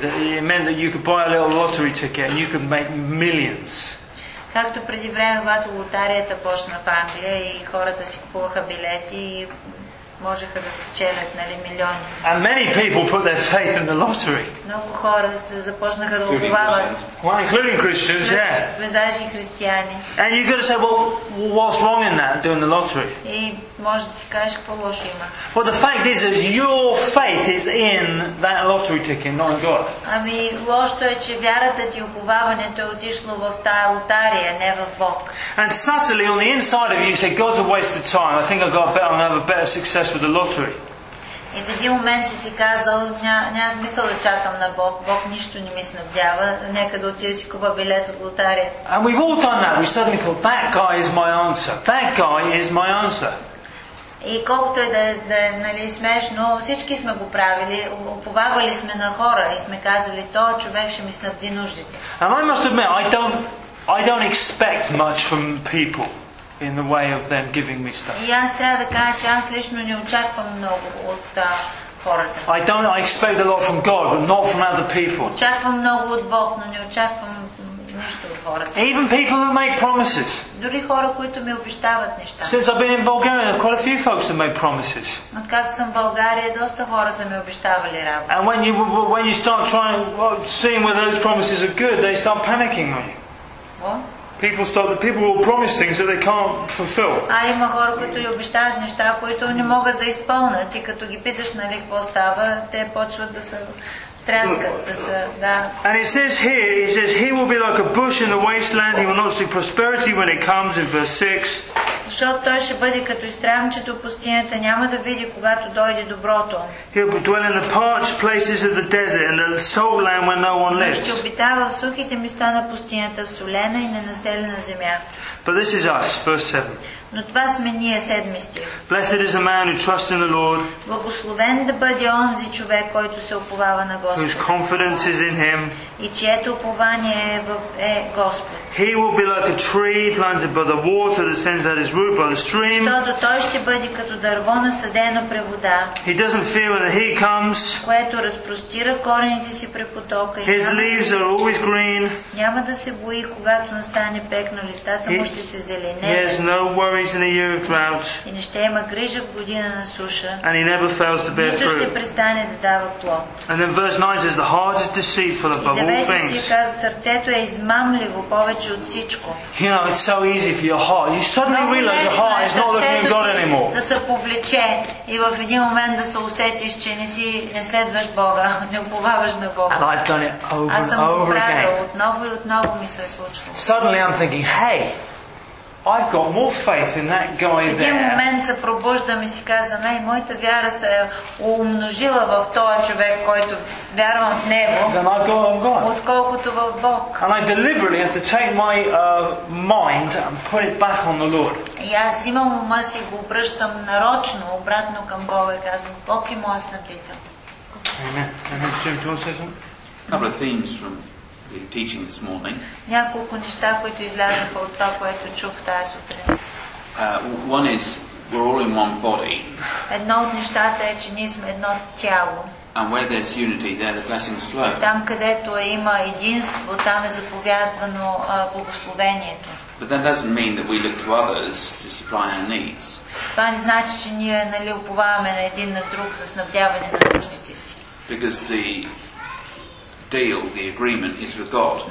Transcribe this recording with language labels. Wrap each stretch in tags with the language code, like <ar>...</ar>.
<en>That it meant that you could buy a little lottery ticket and you could make millions.</en> <bg>Както преди време, когато лотарията почна в Англия и хората си купуваха билети и можеха да спечелят, нали, милиони.</bg> <en>And many people put their faith in the lottery.</en> <bg>Много хора се започнаха да уповават.</bg> <en>Well, including Christians, yeah.</en> <bg>Везаж и християни.</bg> <en>And you're gonna say, well, what's wrong in that, doing the lottery?</en> <bg>И може да си кажеш какво лошо има.</bg> <en>Well, the fact is your faith is in that lottery ticket, not in God.</en> <bg>Ами лошото е, че вярата ти, уповаването е отишло в тая лотария, не в Бог.</bg> <en>And subtly on the inside of you, you say, God's a waste of time. I think I've got better, I'm gonna have a better success with the lottery.</en> <bg>И в един момент си казал, няма смисъл да чакам на Бог. Бог нищо не ми снабдява. Нека да отида си купа билет от лотарията.</bg> <en>And we've all done that. We suddenly thought, that guy is my answer. That guy is my answer.</en> <bg>И колкото е да нали, смешно, всички сме го правили, уповавали сме на хора и сме казвали, то човек ще ми снабди нуждите.</bg> <en>And I must admit, I don't expect much from people in the way of them giving me stuff.</en> <bg>И аз трябва да кажа, че аз лично не очаквам много от хората.</bg> <en>I expect a lot from God, but not from other people.</en> <bg>Очаквам много от Бог, но не очаквам нищо от хората.</bg> <en>Even people who make promises.</en> <bg>Дори хора, които ми обещават неща.</bg> <en>Since I've been in Bulgaria, there are quite a few folks who make promises.</en> <bg>Откакто съм в България, доста хора са ми обещавали работа.</bg> <en>And when you start trying seeing whether those promises are good, they start panicking on you. People will promise things that they can't fulfill.</en> <bg>А има хора, които ти обещават неща, които не могат да изпълнят. И като ги питаш, нали, какво става, те почват да се стряскат, да се, да.</bg> <en>And it says here, it says he will be like a bush in the wasteland. He will not see prosperity when it comes in verse 6.</en> <bg>Защото той ще бъде като изтрямчето в пустинята, няма да види когато дойде доброто.</bg> <en>He will dwell in the parched places of the desert and the salt land where no one lives.</en> <bg>Ще обитава в сухите места на пустинята, солена и ненаселена земя.</bg> <en>But this is us, verse 7.</en> <bg>Но това сме ние, седми стих.</bg> <en>Blessed is the man who trusts in the Lord.</en> <bg>Благословен да бъде онзи човек, който се уповава на Господа.</bg> <en>Whose confidence is in him.</en> <bg>И чието упование е Господ.</bg> <en>He will be like a tree planted by the water that sends out its root by the stream.</en> <bg>Защото той ще бъде като дърво насадено при вода.</bg> <en>He doesn't fear when the heat comes.</en> <bg>Което разпростира корените си при потока.</bg> <en>His leaves are always green.</en> <bg>Няма да се бои, когато настане пекно, листата му ще се зеленеят.</bg> <en>He has no worries in a year of drought.</en> <bg>И не ще има грижа в година на суша.</bg> <en>And he never fails to bear fruit.</en> <bg>Нито ще престане да дава плод.</bg> <en>And then verse 9 says the heart is deceitful above all things.</en> <bg>И 9 стих казва, сърцето е измамливо повече.</bg> <en>You know, it's so easy for your heart. You suddenly realize your heart is not looking at God anymore.</en> <bg>Да се повлече и в един момент да се усетиш, че не следваш Бога, не уповаваш на Бога.</bg> <en>And I've done it over and over again.</en> <bg>Аз съм го правил отново и отново ми се е случвало.</bg> <en>Suddenly I'm thinking, hey, I've got more faith in that guy there.</en> <bg>В един момент се пробуждам и си казвам, ей, моята вяра се е умножила в този човек, който вярвам в него.</bg> <en>Then I've got on God.</en> <bg>Отколкото в Бог.</bg> <en>And I deliberately have to take my mind and put it back on the Lord.</en> <bg>И аз взимам ума си го обръщам нарочно обратно към Бога и казвам, Бог е моят снабдител.</bg> <en>Amen. Jim, do you want to say something? Couple of themes from teaching this morning.</en> <bg>Няколко неща, които излязаха от това, което чух тази сутрин.</bg> <en>One is we're all in one body.</en> <bg>Едно от нещата е, че ние сме едно тяло.</bg> <en>And where there's unity, there the blessings flow.</en> <bg>Там където има единство, там е заповядвано благословението.</bg> <en>But that doesn't mean that we look to others to supply our needs.</en> <bg>Това не значи, че ние нали уповаваме на един на друг за снабдяване на нуждите си.</bg> <en>Because the deal, the agreement is with God.</en>